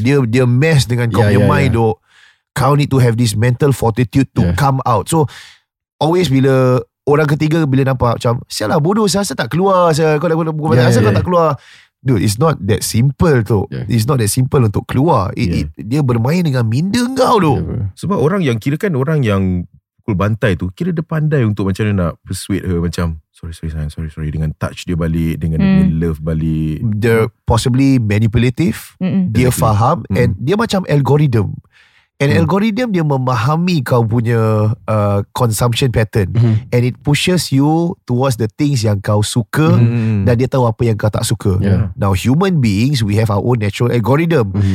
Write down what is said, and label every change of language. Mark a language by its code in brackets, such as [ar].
[ms] Dia mess dengan kau punya mind, bro. [en] Kau need to have this mental fortitude to come out. [ms] So, always bila... Orang ketiga bila nampak macam, siapa lah bodoh, saya rasa tak keluar. [en] Kau tak keluar. Dude, it's not that simple tu. Yeah. It's not that simple untuk keluar. [ms] Dia bermain dengan minda kau tu. Sebab orang yang kira kan, orang yang pukul bantai tu, kira dia pandai untuk macam mana nak persuade her macam, sorry sayang, dengan touch dia balik, dengan dia punya love balik. [en] They're possibly manipulative. Dia faham. [ms] And dia macam algorithm. And algorithm dia memahami kau punya consumption pattern. [en] And it pushes you towards the things yang kau suka. [ms] Dan dia tahu apa yang kau tak suka. [en] Now human beings, we have our own natural algorithm.